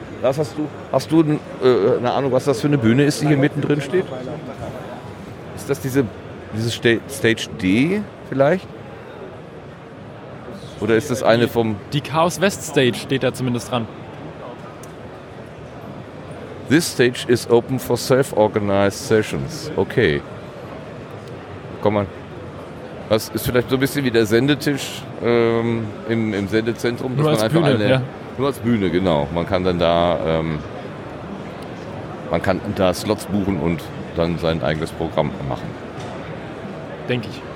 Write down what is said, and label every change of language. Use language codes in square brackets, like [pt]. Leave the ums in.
[de] Das hast du, hast du äh, eine Ahnung, was das für eine Bühne ist, die hier mittendrin steht? Ist das diese, diese Stage D vielleicht? Oder ist das eine vom. Die Chaos West Stage steht da zumindest dran. [en] This stage is open for self-organized sessions. [de] Okay. Komm mal. Das ist vielleicht so ein bisschen wie der Sendetisch ähm, im, im, Sendezentrum. Nur als Bühne, eine, ja. Nur als Bühne, genau. Man kann dann da, ähm, man kann da Slots buchen und dann sein eigenes Programm machen. Denke ich.